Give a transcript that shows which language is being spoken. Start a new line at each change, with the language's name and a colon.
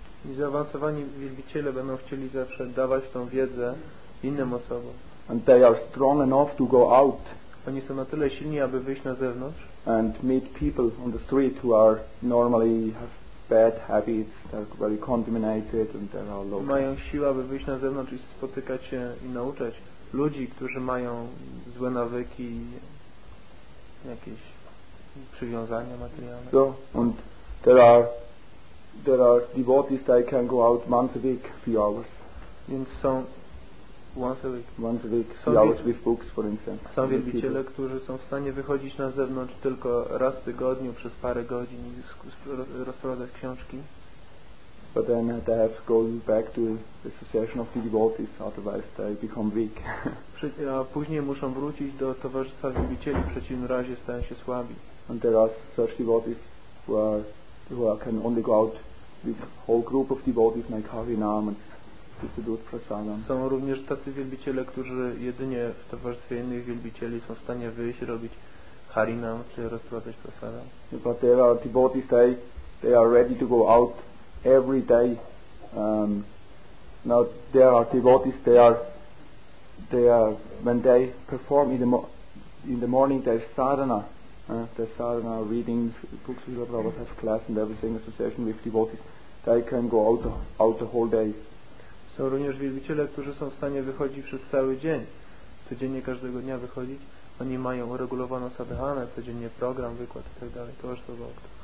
Polish: I zaawansowani wielbiciele będą chcieli zawsze dawać tą wiedzę innym osobom.
English: And they are strong enough to go out.
Polish: Oni są na tyle silni, aby wyjść na zewnątrz.
English: And meet people on the street who are normally have bad habits, they're very contaminated and they are low.
Polish: Mają siłę, aby wyjść na zewnątrz i spotykać się i nauczać ludzi, którzy mają złe nawyki, jakieś przywiązania materialne.
English: So, and there are devotees that can go out once a week, few hours. In some, once a week. Once a week, few hours with books, for instance.
Polish: Są wielbiciele, którzy są w stanie wychodzić na zewnątrz tylko raz w tygodniu przez parę godzin i rozprowadzać książki.
English: But then they have to go back to the association of the devotees, otherwise they become weak.
Polish: A później muszą wrócić do towarzystwa wielbicieli, w przeciwnym razie stają się słabi.
English: And there are such devotees who can only go out with whole group of devotees like Harinam and Distribute Prasadam.
Polish: Są również tacy wielbiciele, którzy jedynie w towarzystwie innych wielbicieli są w stanie wyjść i robić Harinam czy rozprowadzać Prasadam.
English: But there are devotees, they are ready to go out every day. Now there are devotees, they are when they perform in the morning their sadhana. The sadhana, reading books, Srila Prabhupada has class and everything, association with devotees, they can go out the whole day.
Polish: Są również wielbiciele, którzy są w stanie wychodzić przez cały dzień, codziennie każdego dnia wychodzić. Oni mają uregulowaną sadhanę, codziennie program, wykład i tak dalej, towarzystwo w oktach.